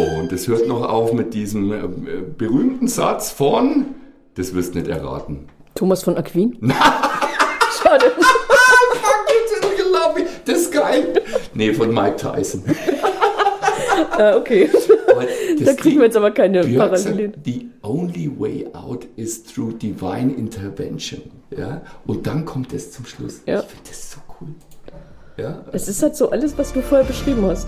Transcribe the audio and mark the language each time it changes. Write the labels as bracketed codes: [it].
[de] Das hört noch auf mit diesem berühmten Satz von, das wirst du nicht erraten. Thomas von Aquin? Schade. [en] Fuck it, in your lobby. [de] Das ist geil. Nee, von Mike Tyson. Okay. Da kriegen wir jetzt aber keine Parallelen. [en] The only way out is through divine intervention. [de] Ja? Und dann kommt es zum Schluss. Ja. Ich finde das so cool. Ja? Es ist halt so alles, was du vorher beschrieben hast.